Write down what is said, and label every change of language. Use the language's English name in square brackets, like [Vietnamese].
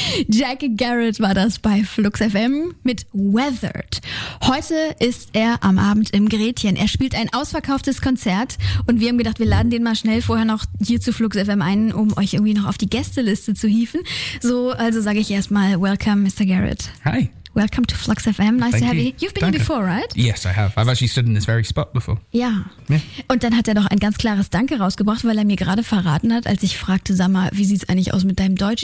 [German] Jack Garrett war das bei Flux FM mit Weathered. Heute ist er am Abend im Gretchen. Er spielt ein ausverkauftes Konzert und wir haben gedacht, wir laden den mal schnell vorher noch hier zu Flux FM ein, um euch irgendwie noch auf die Gästeliste zu hieven. So, also sage ich erstmal [English] welcome, [German] Mr. Garrett. [English] Hi. Welcome to Flux FM. Nice to have you. You've been here before, right? Yes, I have. I've actually stood in this very spot before. Yeah. [German] Und dann hat er noch ein ganz klares Danke rausgebracht, weil er mir gerade verraten hat, als ich fragte, sag mal, wie sieht's eigentlich aus mit deinem Deutsch?